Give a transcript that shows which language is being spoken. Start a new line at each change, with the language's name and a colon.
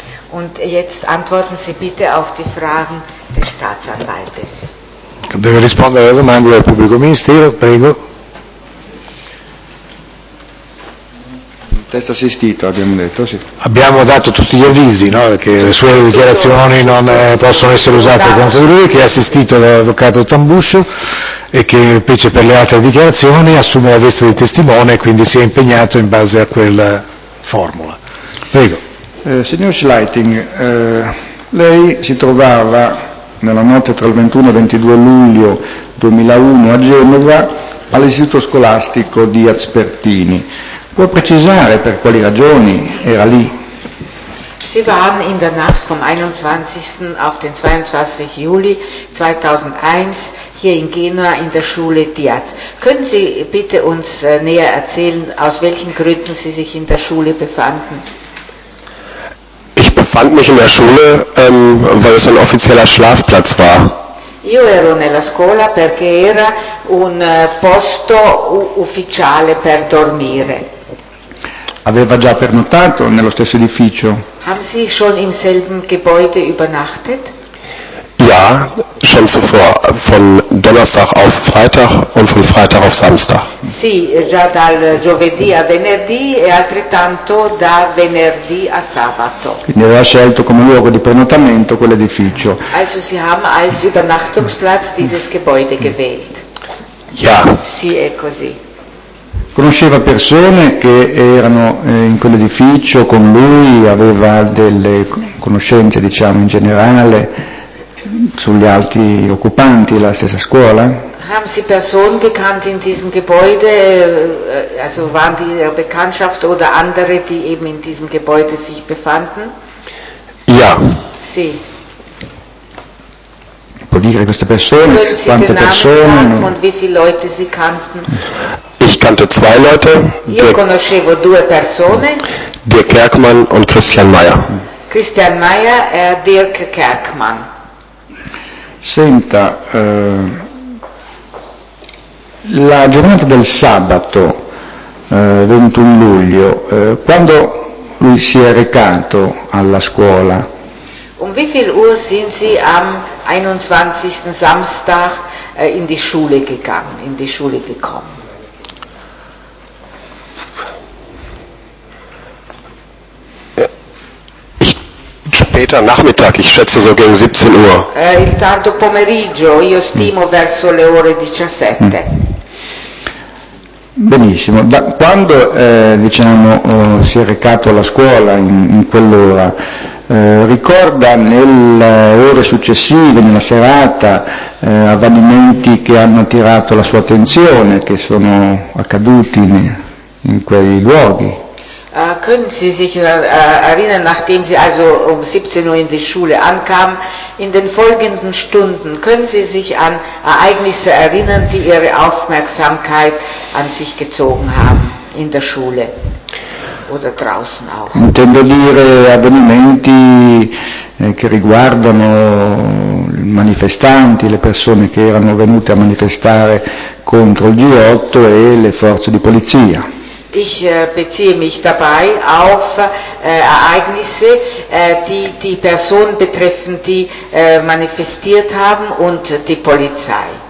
German: Und jetzt antworten Sie bitte auf die Fragen des Staatsanwaltes.
Italian: Devo rispondere alle domande del pubblico ministero, prego. Testa assistita, abbiamo detto, sì. Abbiamo dato tutti gli avvisi, no? Perché le sue dichiarazioni non possono essere usate contro di lui, che è assistito dall'avvocato Tambuscio e che invece per le altre dichiarazioni assume la veste di testimone e quindi si è impegnato in base a quella formula. Prego. Signor Schleiting, lei si trovava nella notte tra il 21 e il 22 luglio 2001 a Genova all'istituto scolastico di Aspertini. Può precisare per quali ragioni era lì?
German: Sie waren in der Nacht vom 21. auf den 22. Juli 2001 hier in Genua in der Schule Diaz. Können Sie bitte uns näher erzählen, aus welchen Gründen Sie sich in der Schule befanden? Ich befand mich in der Schule, weil es ein offizieller Schlafplatz war.
Italian: Io ero nella scuola perché era un posto ufficiale per dormire. Aveva già pernottato nello stesso edificio?
German: Haben Sie schon im selben Gebäude übernachtet? Ja, schon zuvor, von Donnerstag auf Freitag und von Freitag auf Samstag.
Italian: Sì, già dal giovedì a venerdì e altrettanto da venerdì a sabato. Quindi aveva scelto come luogo di pernottamento quell'edificio.
German: Also Sie haben als Übernachtungsplatz dieses Gebäude gewählt. Ja.
Italian: Sì, è così. Conosceva persone che erano in quell'edificio con lui, aveva delle conoscenze, diciamo, in generale sugli altri occupanti della stessa scuola?
German: Haben Sie Personen gekannt in diesem Gebäude, also waren die ihre Bekanntschaft oder andere, die eben in diesem Gebäude sich befanden? Ja.
Italian: Sì. Può dire queste persone, quante persone?
German: Und wie viele Leute Sie kannten? Ich kannte zwei Leute.
Italian: Io conoscevo due persone.
German: Dirk Kerkmann und Christian Meyer.
Italian: Christian Meyer e Dirk Kerkmann. Senta, la giornata del sabato 21 luglio, quando lui si è recato alla scuola?
German: Um wie viel Uhr sind Sie am 21. Samstag in die Schule gegangen, in die Schule gekommen? Später Nachmittag, ich schätze so gegen 17 Uhr.
Italian: Il tardo pomeriggio, io stimo verso le ore 17. Benissimo, da quando diciamo si è recato alla scuola in quell'ora, ricorda nelle ore successive, nella serata, avvenimenti che hanno attirato la sua attenzione, che sono accaduti in quei luoghi?
German: Können Sie sich erinnern, nachdem Sie also um 17 Uhr in die Schule ankamen, in den folgenden Stunden, können Sie sich an Ereignisse erinnern, die Ihre Aufmerksamkeit an sich gezogen haben, in der Schule oder draußen auch?
Italian: Intendo dire avvenimenti che riguardano i manifestanti, le persone che erano venute a manifestare contro il G8 e le forze di polizia.
German: Ich beziehe mich dabei auf Ereignisse, die die Personen betreffen, die manifestiert haben und die Polizei.